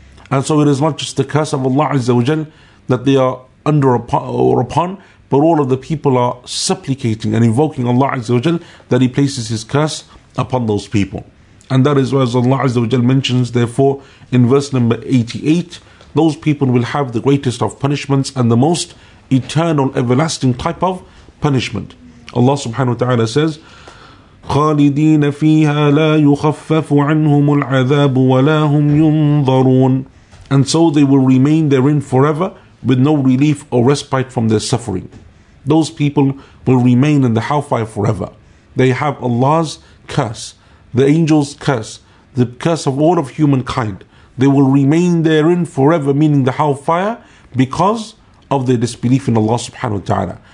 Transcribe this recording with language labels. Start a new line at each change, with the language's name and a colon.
English: And so it is not just the curse of Allah Azza wa Jal that they are under or upon, but all of the people are supplicating and invoking Allah Azza wa Jal that He places His curse upon those people. And that is why Allah Azza wa Jal mentions, therefore, in verse number 88, those people will have the greatest of punishments and the most eternal, everlasting type of punishment. Allah subhanahu wa ta'ala says,
Arabic: خالدين فيها لا يخفف عنهم العذاب ولا هم ينظرون.
English: And so they will remain therein forever with no relief or respite from their suffering. Those people will remain in the hellfire forever. They have Allah's curse, the angel's curse, the curse of all of humankind. They will remain therein forever, meaning the hellfire, because of their disbelief in Allah subhanahu wa ta'ala.